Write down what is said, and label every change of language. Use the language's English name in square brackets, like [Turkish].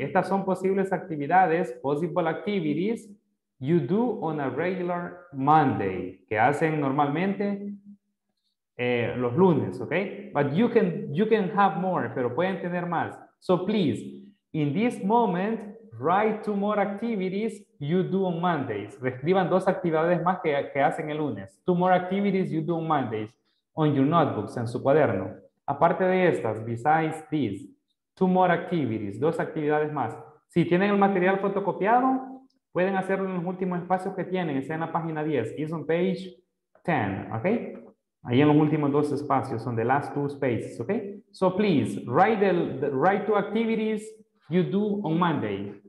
[Spanish] Estas son posibles actividades, [English] possible activities, you do on a regular Monday, [Spanish] que hacen normalmente los lunes, okay? [English] But you can have more, [Spanish] pero pueden tener más. [English] So please, in this moment, write two more activities you do on Mondays. [Spanish] Reescriban dos actividades más que hacen el lunes. [English] Two more activities you do on Mondays on your notebooks, [Spanish] en su cuaderno. Aparte de estas, [English] besides these, two more activities, [Spanish] dos actividades más. Si tienen el material fotocopiado, pueden hacerlo en los últimos espacios que tienen, sea en la página 10, [English] is on page 10, [Spanish] okay? Ahí en los últimos dos espacios, [English] on the last two spaces, [Spanish] okay? [English] So please, write write two activities you do on Monday.